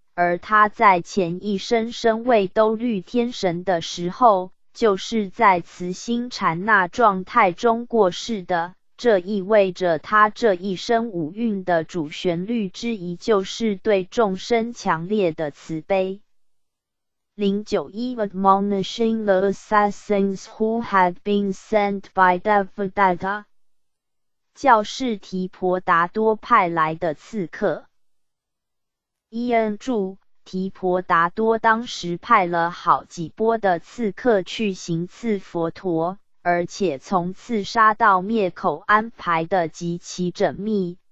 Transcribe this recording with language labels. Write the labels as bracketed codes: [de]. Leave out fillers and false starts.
[zh] 而他在前一生身位兜率天神的时候，就是在慈心禅那状态中过世的，这意味着他这一生五蕴的主旋律之一就是对众生强烈的慈悲。 091 [en] Admonishing the assassins who had been sent by Devadatta， [zh] 教士提婆达多派来的刺客。伊恩注：提婆达多当时派了好几波的刺客去行刺佛陀，而且从刺杀到灭口安排的极其缜密。